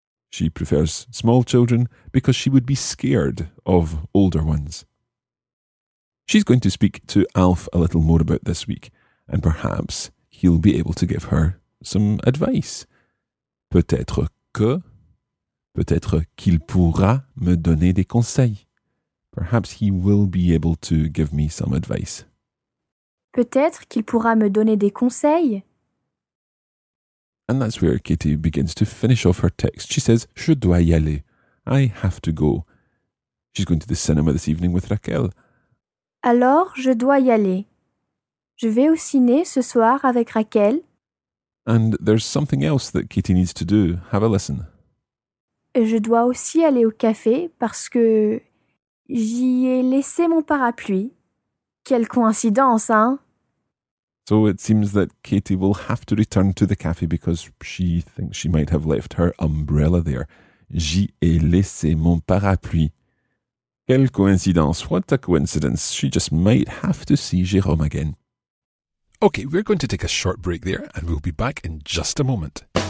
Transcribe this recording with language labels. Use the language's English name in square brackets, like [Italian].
[English] She prefers small children because she would be scared of older ones. She's going to speak to Alf a little more about this week, and perhaps he'll be able to give her some advice. [French] Peut-être que, peut-être qu'il pourra me donner des conseils. [English] Perhaps he will be able to give me some advice. [French] Peut-être qu'il pourra me donner des conseils. [English] And that's where Kitty begins to finish off her text. She says, [French] je dois y aller. [English] I have to go. She's going to the cinema this evening with Raquel. [French] Alors, je dois y aller. Je vais au ciné ce soir avec Raquel. [English] And there's something else that Kitty needs to do. Have a listen. [French] Je dois aussi aller au café parce que j'y ai laissé mon parapluie. Quelle coïncidence, hein? [English] So it seems that Kitty will have to return to the café because she thinks she might have left her umbrella there. [French] J'y ai laissé mon parapluie. Quelle coïncidence, [English] what a coincidence. She just might have to see Jérôme again. Okay, we're going to take a short break there and we'll be back in just a moment.